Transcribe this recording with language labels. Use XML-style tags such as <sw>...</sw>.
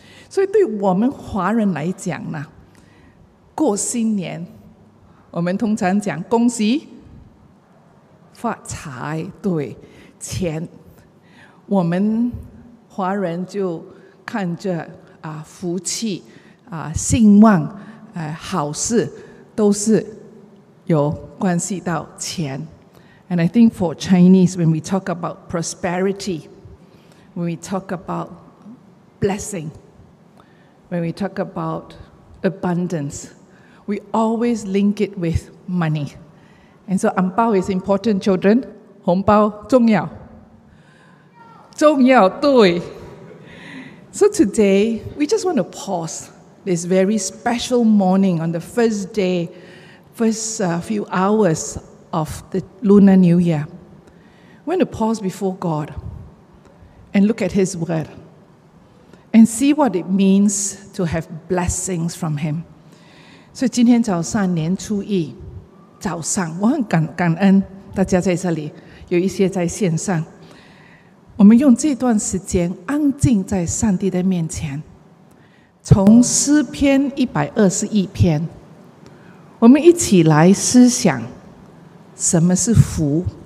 <zh>所以对我们华人来讲呢，过新年我们通常讲恭喜发财，对，钱，我们华人就看着福气兴旺好事，都是有关系到钱。</zh> <en>And I think for Chinese, when we talk about prosperity, when we talk about blessing, when we talk about abundance, we always link it with money. And so 红包 is important, children.</en> <zh>红包重要，重要，对。</zh> <en>So today, we just want to pause this very special morning on the first day, first few hours of the Lunar New Year. We want to pause before God and look at His Word and see what it means to have blessings from Him.</en> <zh>So 今天早上年初一早上，我很感恩大家在这里，有一些在线上。我们用这段时间安静在上帝的面前，从诗篇121篇，我们一起来思想什么是福。</zh>